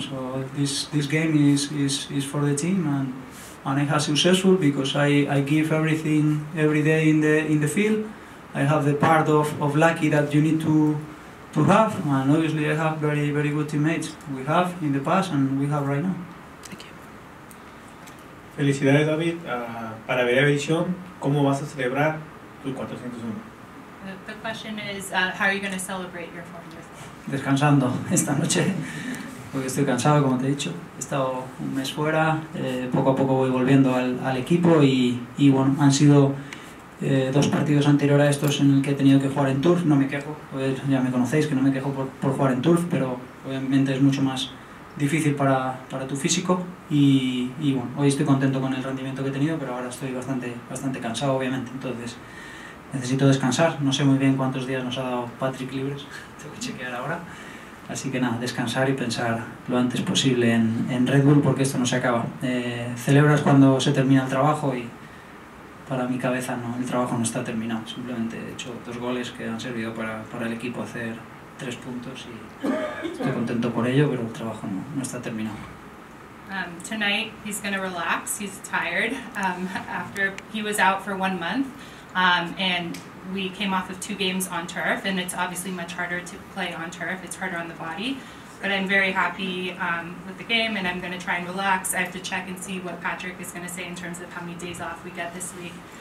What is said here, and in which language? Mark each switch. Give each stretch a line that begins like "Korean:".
English: So this game is for the team, and I have successful because I give everything every day in the field. I have the part of lucky that you need to have, and obviously I have very, very good teammates. We have in the past and we have right now. Thank you.
Spanish: Felicidades, David. Para ver edición, ¿cómo vas a celebrar tu 401?
English: The question is, how are you going to celebrate your 401?
Spanish: Descansando esta noche, porque estoy cansado, como te he dicho. He estado un mes fuera, poco a poco voy volviendo al equipo y bueno, han sido dos partidos anteriores a estos en el que he tenido que jugar en turf. No me quejo, pues ya me conocéis que no me quejo por jugar en turf, pero obviamente es mucho más difícil para tu físico y bueno, hoy estoy contento con el rendimiento que he tenido, pero ahora estoy bastante, bastante cansado, obviamente, entonces necesito descansar. No sé muy bien cuántos días nos ha dado Patrick libres, tengo que chequear ahora, así que nada, descansar y pensar lo antes posible en Red Bull, porque esto no se acaba. Celebras cuando se termina el trabajo y para mi cabeza no, el trabajo no está terminado. Simplemente he hecho dos goles que han servido para el equipo hacer tres puntos y estoy contento por ello, pero el trabajo no está terminado.
English: Tonight he's going to relax. He's tired after he was out for 1 month, and we came off of two games on turf, and it's obviously much harder to play on turf. It's harder on the body. But I'm very happy with the game, and I'm going to try and relax. I have to check and see what Patrick is going to say in terms of how many days off we get this week.